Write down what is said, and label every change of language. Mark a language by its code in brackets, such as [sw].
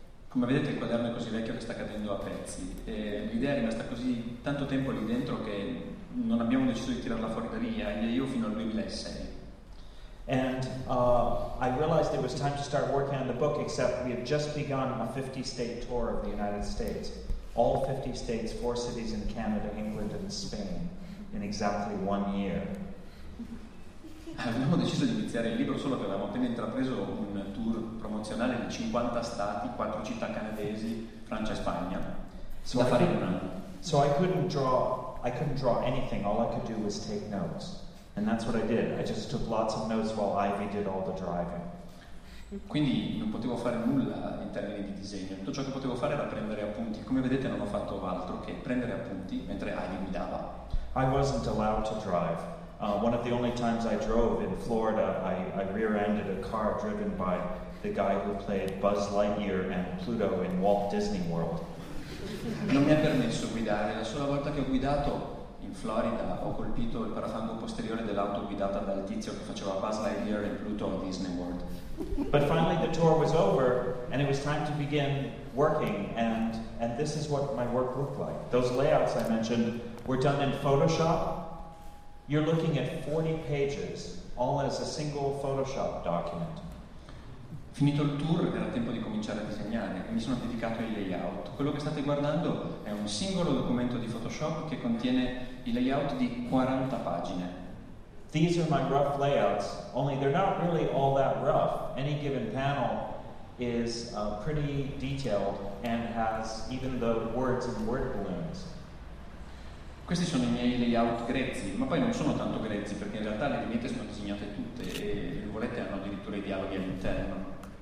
[it] Come vedete il quaderno è così vecchio che sta cadendo a pezzi e l'idea è rimasta così tanto tempo lì dentro che non abbiamo deciso di tirarla fuori da lì, e io fino al 2006. [en] And I realized it was time to start working on the book, except we had just begun a 50-state tour of the United States. All 50 states, 4 cities in Canada, England, and Spain, in exactly 1 year. [it] Avevamo deciso di iniziare il libro solo perché avevamo appena intrapreso un tour promozionale di 50 stati, 4 città canadesi, Francia e Spagna. So da fare un anno. [en] So I couldn't draw anything. All I could do was take notes. And that's what I did. I just took lots of notes while Ivy did all the driving. [it] Quindi non potevo fare nulla in termini di disegno. Tutto ciò che potevo fare era prendere appunti. Come vedete, non ho fatto altro che prendere appunti mentre Ivy guidava. [en] I wasn't allowed to drive. One of the only times I drove in Florida, I rear-ended a car driven by the guy who played Buzz Lightyear and Pluto in Walt Disney World. [it] Non mi ha permesso guidare. La sola volta che ho guidato in Florida, ho colpito il parafango posteriore dell'auto guidata dal tizio che faceva Buzz Lightyear e Pluto in Disney World. [en] But finally the tour was over, and it was time to begin working, and this is what my work looked like. Those layouts I mentioned were done in Photoshop. You're looking at 40 pages, all as a single Photoshop document. [it] Finito il tour, era tempo di cominciare a disegnare e mi sono dedicato ai layout. Quello che state guardando è un singolo documento di Photoshop che contiene il layout di 40 pagine. [en] These are my rough layouts, only they're not really all that rough. Any given panel is pretty detailed and has even the words and word balloons. [it] Questi sono i miei layout grezzi, ma poi non sono tanto grezzi, perché in realtà le vignette sono disegnate tutte e le virgolette hanno addirittura i dialoghi all'interno.